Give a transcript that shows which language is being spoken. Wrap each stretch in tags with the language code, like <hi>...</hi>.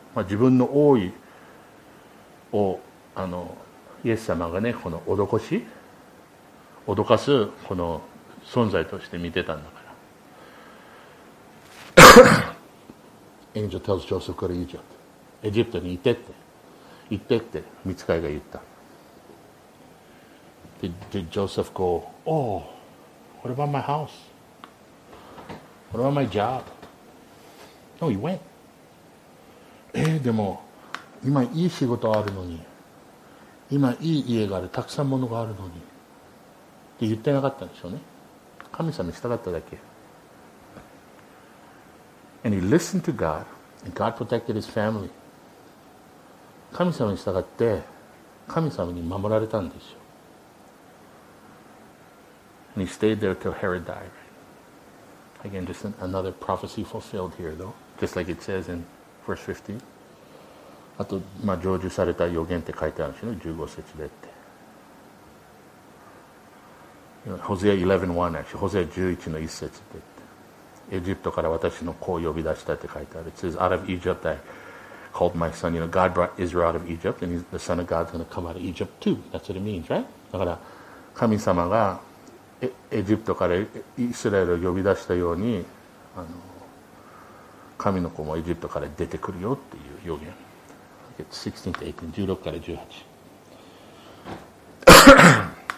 <ja>まあ、自分の王位を、イエス様がね、この脅かす、この存在として見てたんだから。</ja> <en>Angel tells Joseph, go to Egypt.</en> <ja>エジプトに行ってって。行ってって、見つかりが言った。</ja> <en>Did Joseph go, oh,What about my house? What about my job? No, he went.</en> <ja>でも今いい仕事あるのに、今いい家がある、たくさん物があるのにって言ってなかったんでしょうね。神様に従っただけ。</ja> <en>And he listened to God, and God protected his family.</en> <ja>神様に従って、神様に守られたんですよ。</ja> <en>And he stayed there till Herod died. Again, just another prophecy fulfilled here, though. Just like it says in verse 15.</en> <ja>あと、まあ、成就された予言って書いてあるしね、15節でって。</ja> <en>Hosea 11:1 actually.</en> <ja>Hosea 11の1節でって。エジプトから私の子を呼び出したって書いてある。</ja> <en>It says, out of Egypt I called my son. You know, God brought Israel out of Egypt, and the son of God is going to come out of Egypt too. That's what it means, right?</en> <ja>だから、神様がエジプトからイスラエルを呼び出したように神の子もエジプトから出てくるよっていう予言 16-18 16から18</ja>